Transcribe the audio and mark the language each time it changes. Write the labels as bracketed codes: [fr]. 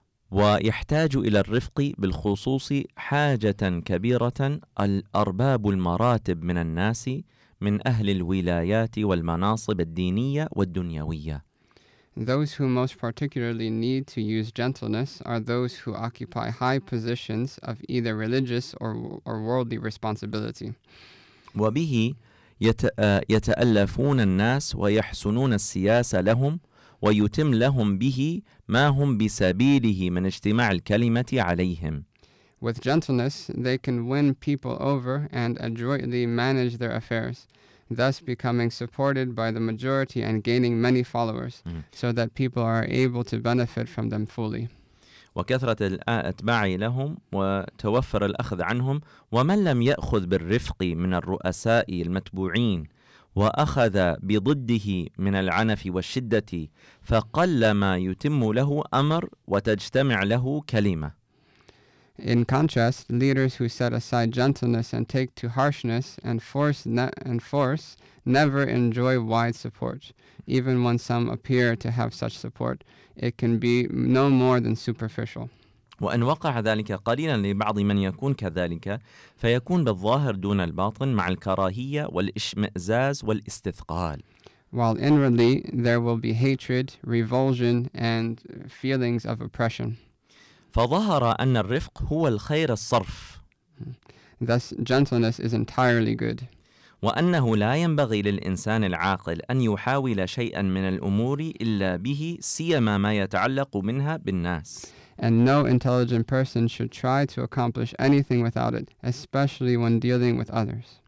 [ar] ويحتاج إلى الرفق بالخصوص حاجة كبيرة الأرباب المراتب من الناس من أهل الولايات والمناصب الدينية والدنيوية. [en] Those who most particularly need to use gentleness are those who occupy high positions of either religious or worldly responsibility. [ar] وبه يتألفون الناس ويحسنون السياسة لهم ويتم لهم به ما هم بسبيله من اجتماع الكلمة عليهم. [en] With gentleness, they can win people over and adroitly manage their affairs, thus becoming supported by the majority and gaining many followers, so that people are able to benefit from them fully. [ar] وكثرة الأتباع لهم وتوفر الأخذ عنهم ومن لم يأخذ بالرفق من الرؤساء المتبوعين وأخذ بضده من العنف والشدة فقلما يتم له أمر وتجتمع له كلمة. [en] In contrast, leaders who set aside gentleness and take to harshness and force never enjoy wide support. Even when some appear to have such support, it can be no more than superficial. [ar] وإن وقع ذلك قليلا لبعض من يكون كذلك فيكون بالظاهر دون الباطن مع الكراهية والإشمئزاز والاستثقال. [en] While inwardly there will be hatred, revulsion and feelings of oppression. [ar] فظهر أن الرفق هو الخير الصرف. [en] Thus gentleness is entirely good. [ar] وأنه لا ينبغي للإنسان العاقل أن يحاول شيئا من الأمور إلا به سيما ما يتعلق منها بالناس. [en] And no intelligent person should try to accomplish anything without it, especially when dealing with others.